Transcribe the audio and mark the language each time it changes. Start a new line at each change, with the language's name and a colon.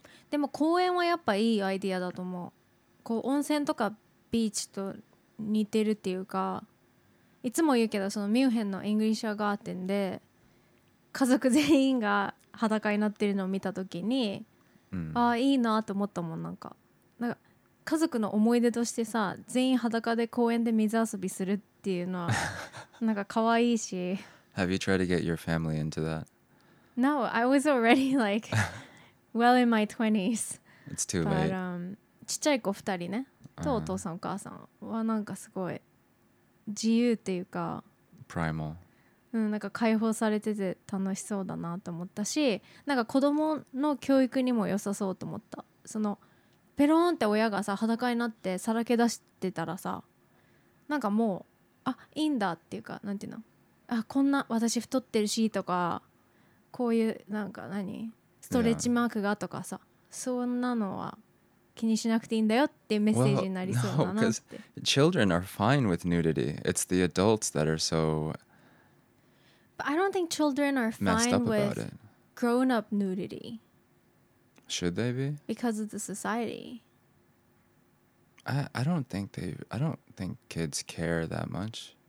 Japanese: でも公園はやっぱいいアイディアだと思う。こう温泉とかビーチと似てるっていうか、いつも言うけどそのミュンヘンのイングリッシュガーデンで家族全員が裸になってるのを見たときに、ああいいなと思ったもん。なんか家族の思い出としてさ、全員裸で公園で水遊びするっていうのは。なんか可愛いし。
English: Have you tried to get your family into that? No, I was already like well in my 20s. It's too late.
Japanese: But, ちっちゃい子二人ね、とお父さんお母さんはなんかすごい自由っていうか、
English: primal.
Japanese: なんか解放されてて楽しそうだなと思ったし、なんか子供の教育にも良さそうと思った。そのペローンって親がさ裸になってさらけ出してたらさ、なんかもうあ、いいんだっていうか、なんていうの、あ、こんな私太ってるしとか、こういうなんか何ストレッチマークがとかさ、
English: yeah.
Japanese: そんなのは気にしなくていいんだよってメッセージになりそうだなって。
English: Well, no, children are fine with nudity. It's the adults that are so... But I don't think children are fine with grown-up nudity. Should they be? Because of the society. I don't think kids care that much.